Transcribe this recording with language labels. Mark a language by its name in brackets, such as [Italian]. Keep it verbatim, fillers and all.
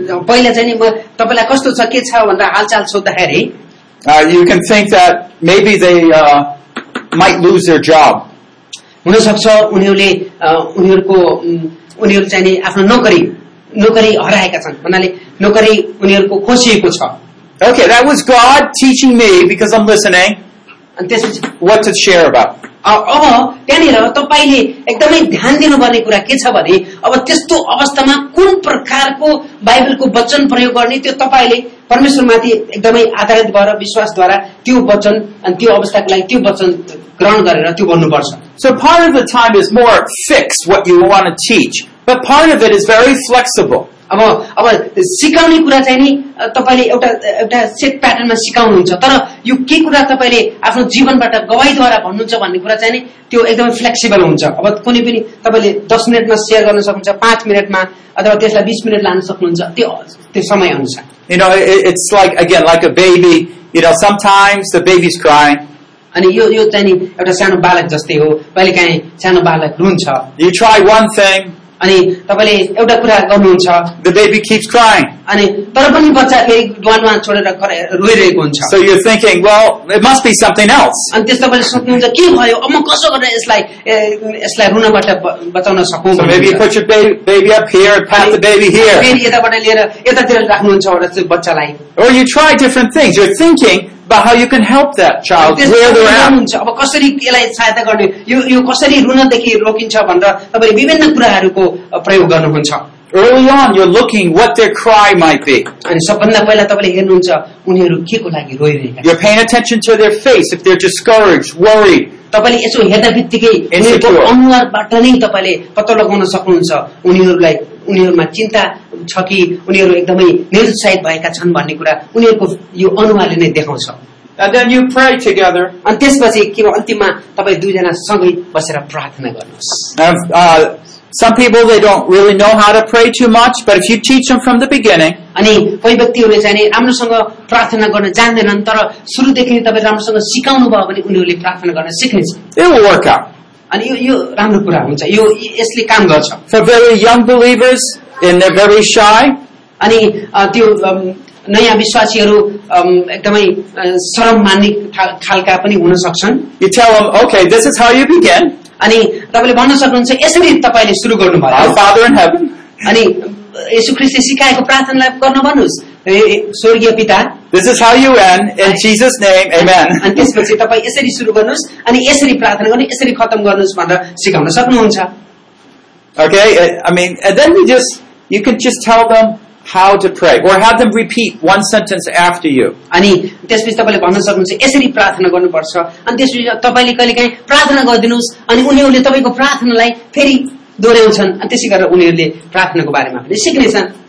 [Nepali] पहिला चाहिँ नि तपाईलाई कस्तो छ के छ भनेर हालचाल सोध्दाखेरि [English] Uh, you can think that maybe they uh, might lose their job. [Nepali] हुन सक्छ उनीहरूले उनीहरूको उनीहरू चाहिँ नि आफ्नो नोकरी नोकरी हराएका छन् भन्नाले नोकरी उनीहरूको खोसिएको छ। [English] Okay, that was God teaching me because I'm listening and [Nepali] त्यसपछि [English] what to share about. [Nepali] अब त्यहाँनिर तपाईले एकदमै ध्यान दिनुपर्ने कुरा के छ भने अब त्यस्तो अवस्थामा कुन प्रकारको बाइबलको वचन प्रयोग गर्ने त्यो तपाईले परमेश्वरमाथि एकदमै आधारित भएर विश्वासद्वारा त्यो वचन अनि त्यो अवस्थाको लागि त्यो वचन ग्रहण गरेर त्यो भन्नुपर्छ। [English] So part of the time is more fixed what you want to teach, but part of it is very flexible. [Nepali] अब अब सिकाउने कुरा चाहिँ नि तपाईले एउटा एउटा सेट प्याटर्नमा सिकाउनुहुन्छ, तर यो के कुरा तपाईले आफ्नो जीवनबाट गवाहीद्वारा भन्नुहुन्छ भन्ने कुरा चाहिँ नि त्यो एकदमै फ्लेक्सिबल हुन्छ। अब कुनै पनि तपाईले दस मिनटमा सेयर गर्न सक्नुहुन्छ, पाँच मिनटमा अथवा त्यसलाई बीस मिनट लान सक्नुहुन्छ, त्यो त्यो समय अनुसार। [English] You know, it, it's like again like a baby, you know, sometimes the baby's crying. [Nepali] अनि यो यो चाहिँ नि एउटा सानो बालक जस्तै हो, कहिलेकाहीँ सानो बालक रुन्छ। [English] You try one thing, [Nepali] अनि तपाईले एउटा कुरा गर्नुहुन्छ, [English] the baby keeps crying. [Nepali] अनि तर पनि बच्चा फेरि ढुवान छोडेर रोइरहेको हुन्छ। [English] So you're thinking, well, it must be something else. [Nepali] अनि त्यस्तो तपाईले सोच्नुहुन्छ के भयो, अब म कसो गरेर यसलाई यसलाई रुनबाट बचाउन सकौँ। [English] So maybe you put your baby, baby up here, pat the baby here. [Nepali] फेरि यताबाट लिएर यतातिर राख्नुहुन्छ एउटा त्यो बच्चालाई। [English] Or you try different things. You're thinking about how you can help that child where they're at. [Nepali] अब कसरी यसलाई सहायता गर्ने, यो यो कसरी रुनदेखि रोकिन्छ भनेर तपाईले विभिन्न कुराहरुको प्रयोग गर्नुहुन्छ। [English] Early on you're looking what their cry might be. [Nepali] अनि सबभन्दा पहिला तपाईले हेर्नुहुन्छ उनीहरु केको लागि रोइरहेका छन्। [English] You're paying attention to their face if they're discouraged, worried. [Nepali] तपाईले यसो हेर्दा बित्तिकै उनीहरुको अनुहारबाट नै तपाईले पत्तो लगाउन सक्नुहुन्छ उनीहरुलाई उनीहरुमा चिन्ता छ कि उनीहरु एकदमै निरुत्साहित भएका छन् भन्ने कुरा उनीहरुको यो अनुहारले नै देखाउँछ। [English] And then you pray together. [Nepali] अनि त्यसपछि के अन्तिममा तपाई दुईजना सँगै बसेर प्रार्थना गर्नुहोस्। [English] Uh, some people they don't really know how to pray too much, but if you teach them from the beginning, [Nepali] अनि कोही व्यक्तिहरुले चाहिँ नि राम्रोसँग प्रार्थना गर्न जान्दैनन्, तर सुरुदेखि तपाईँ राम्रोसँग सिकाउनु भयो भने उनीहरुले प्रार्थना गर्न सिक्नेछ। [English] It will work out. [Nepali] अनि यो यो राम्रो कुरा हुन्छ, यो यसले काम गर्छ। [English] For very young believers and they're very shy, [Nepali] अनि त्यो नयाँ विश्वासीहरू एकदमै शरम मान्ने खालका पनि हुन सक्छन्। [English] You tell them, okay, this is how you begin. [Nepali] अनि तपाईले भन्न सक्नुहुन्छ यसरी तपाईले सुरु गर्नु भयो। [English] Our Father in heaven. [Nepali] अनि येशू ख्रीष्टले सिकाएको प्रार्थनालाई गर्न भन्नुस्, स्वर्गीय पिता, [English] this is how you end, in Jesus' name, amen. [Nepali] अनि त्यसपछि तपाई यसरी सुरु गर्नुस् अनि यसरी प्रार्थना गर्नु, यसरी खतम गर्नुस् भनेर सिकाउन सक्नुहुन्छ। [English] Okay, I mean, and then you just you can just tell them how to pray or have them repeat one sentence after you. [Nepali] अनि त्यसपछि तपाईले भन्न सक्नुहुन्छ यसरी प्रार्थना गर्नुपर्छ, अनि त्यसपछि तपाईले कहिलेकाहीँ प्रार्थना गर्दिनुस् अनि उनीहरुले तपाईको प्रार्थनालाई फेरि दोहोर्याउँछन्, अनि त्यसै गरेर उनीहरुले प्रार्थनाको बारेमा पनि सिक्नेछन्।